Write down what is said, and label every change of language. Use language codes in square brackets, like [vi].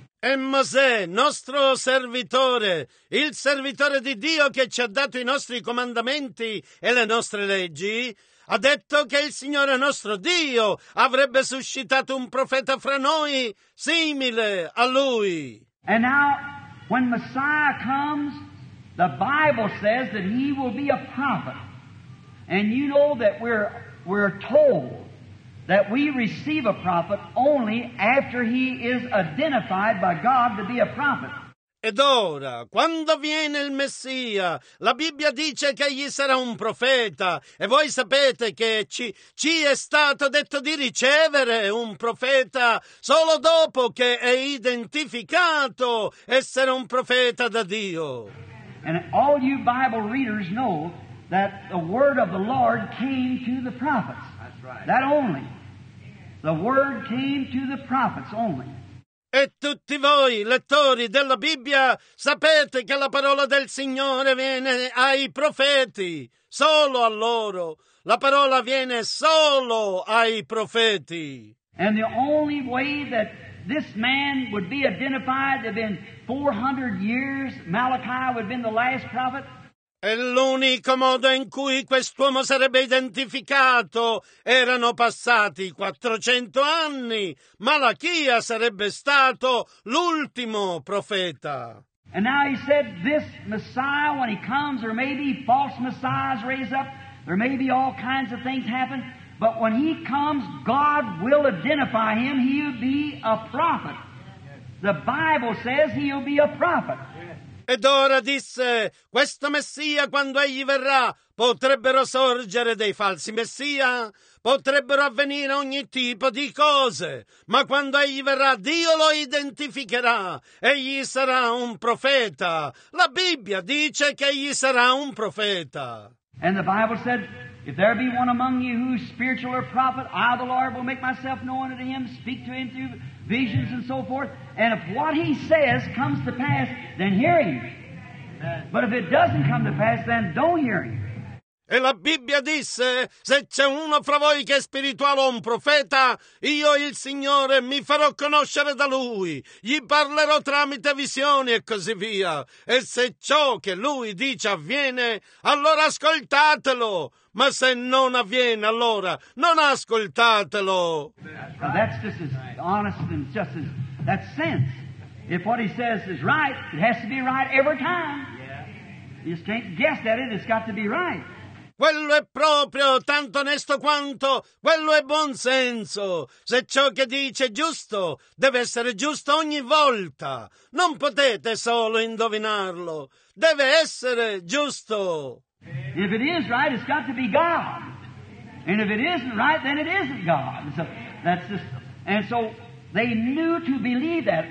[it] E Mosè, nostro servitore, il servitore di Dio che ci ha dato i nostri comandamenti e le nostre leggi, ha detto che il Signore nostro Dio avrebbe suscitato un profeta fra noi simile a lui. [en] And now, when Messiah comes, the Bible says that he will be a prophet. And you know that we're told that we receive a prophet only after he is identified by God to be a prophet. [it] Ed ora, quando viene il Messia, la Bibbia dice che egli sarà un profeta, e voi sapete che ci è stato detto di ricevere un profeta solo dopo che è identificato essere un profeta da Dio. [en] And all you Bible readers know that the word of the Lord came to the prophets. That's right. That only. The word came to the prophets only. [it] E tutti voi, lettori della Bibbia, sapete che la parola del Signore viene ai profeti, solo a loro. La parola viene solo ai profeti. [en] And the only way that this man would be identified had been 400 years, Malachi would have been the last prophet. [it] E l'unico modo in cui quest'uomo sarebbe identificato erano passati 400 anni. Malachia sarebbe stato l'ultimo profeta. [en] And now he said this Messiah, when he comes, there may be false messiahs raised up, there may be all kinds of things happen, but when he comes, God will identify him. He'll be a prophet. The Bible says he'll be a prophet. [it] Ed ora disse, questo Messia, quando egli verrà, potrebbero sorgere dei falsi Messia, potrebbero avvenire ogni tipo di cose, ma quando egli verrà, Dio lo identificherà, egli sarà un profeta. La Bibbia dice che egli sarà un profeta. [en] And the Bible said, if there be one among you who is spiritual or prophet, I, the Lord, will make myself known unto him, speak to him through visions and so forth. And if what he says comes to pass, then hear him. But if it doesn't come to pass, then don't hear him. [it] E la Bibbia disse: se c'è uno fra voi che è spirituale o un profeta, io il Signore mi farò conoscere da lui, gli parlerò tramite visioni e così via. E se ciò che lui dice avviene, allora ascoltatelo. Ma se non avviene, allora non ascoltatelo. [en] That's just as honest and just as that sense. If what he says is right, it has to be right every time. You just can't guess at it, it's got to be right. [it] Quello è proprio tanto onesto quanto quello è buon senso. Se ciò che dice è giusto, deve essere giusto ogni volta. Non potete solo indovinarlo. Deve essere giusto. [en] If it is right, it's got to be God. And if it isn't right, then it isn't God. So that's just, and so they knew to believe that.